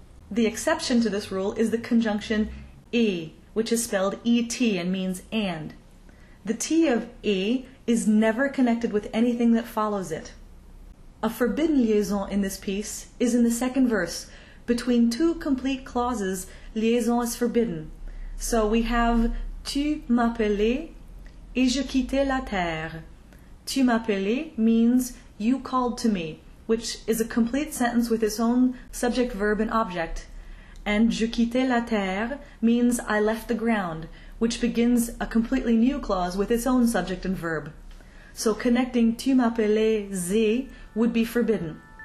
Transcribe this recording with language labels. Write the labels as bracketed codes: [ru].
[en] The exception to this rule is the conjunction e, which is spelled et and means and. The t of e is never connected with anything that follows it. A forbidden liaison in this piece is in the second verse. Between two complete clauses, liaison is forbidden. So we have [fr] tu m'appelais et je quittais la terre. Tu m'appelais [en] means you called to me, which is a complete sentence with its own subject, verb, and object. And [fr] je quittais la terre [en] means I left the ground, which begins a completely new clause with its own subject and verb. So connecting [fr] tu m'appelais [en] would be forbidden.